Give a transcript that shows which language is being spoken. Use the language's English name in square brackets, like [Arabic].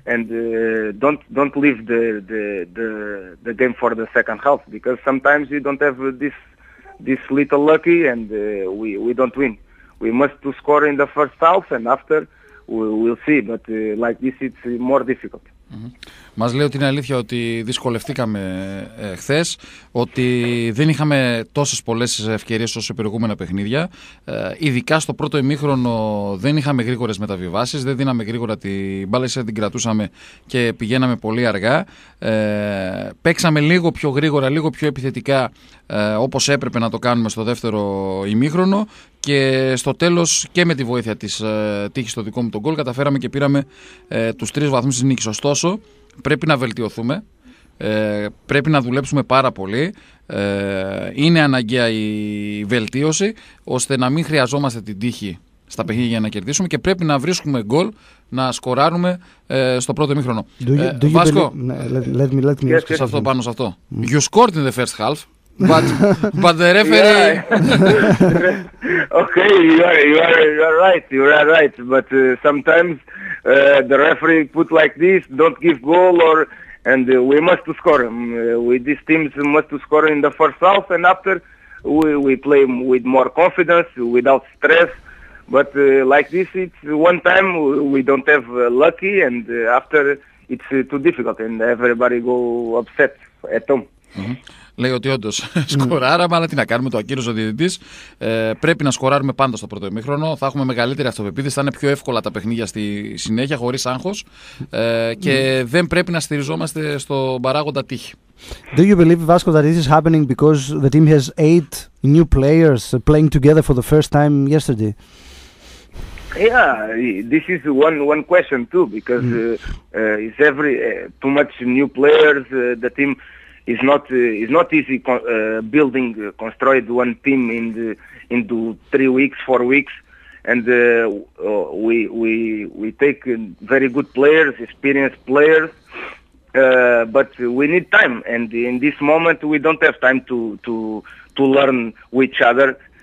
[English] and don't leave the game for the second half, because sometimes you don't have this little lucky and we don't win. We must to score in the first half, and after we'll see, but like this it's more difficult. Mm-hmm. [Greek] Μας λέει ότι είναι αλήθεια ότι δυσκολευτήκαμε χθες, ότι δεν είχαμε τόσες πολλές ευκαιρίες όσο σε προηγούμενα παιχνίδια. Ειδικά στο πρώτο ημίχρονο δεν είχαμε γρήγορες μεταβιβάσεις, δεν δίναμε γρήγορα την μπάλα, την κρατούσαμε και πηγαίναμε πολύ αργά. Παίξαμε λίγο πιο γρήγορα, λίγο πιο επιθετικά, όπως έπρεπε να το κάνουμε στο δεύτερο ημίχρονο. Και στο τέλος και με τη βοήθεια της τύχης στο δικό μου τον γκολ καταφέραμε και πήραμε τους 3 βαθμούς της νίκης. Ωστόσο πρέπει να βελτιωθούμε, πρέπει να δουλέψουμε πάρα πολύ. Είναι αναγκαία η βελτίωση ώστε να μην χρειαζόμαστε την τύχη στα παιχνίδια για να κερδίσουμε και πρέπει να βρίσκουμε γκολ να σκοράρουμε στο πρώτο ημίχρονο. Βάσκο, [English] let me ask you. You scored in the first half. But the referee. Yeah. Okay, you are right. But sometimes the referee put like this, don't give goal, and we must to score. With these teams, must to score in the first half, and after we play with more confidence, without stress. But like this, it's one time we don't have lucky, and after it's too difficult, and everybody go upset at home. Mm-hmm. [Greek] Λέει ότι όντως σκοράραμε, αλλά τι να κάνουμε, το ακύρωσε ο διαιτητής. Πρέπει να σκοράρουμε πάντα στο πρώτο ημίχρονο. Θα έχουμε μεγαλύτερη αυτοπεποίθηση, θα είναι πιο εύκολα τα παιχνίδια στη συνέχεια, χωρίς άγχος. Και δεν πρέπει να στηριζόμαστε στο παράγοντα τύχη. [English] Do you believe, Vasco, that this is happening because the team has 8 new players playing together for the first time yesterday? Yeah, this is one question too, because it's every too much new players. The team is not easy building construed one team in the 3 weeks, 4 weeks, and we take very good players, experienced players, but we need time, and in this moment we don't have time to learn with each other.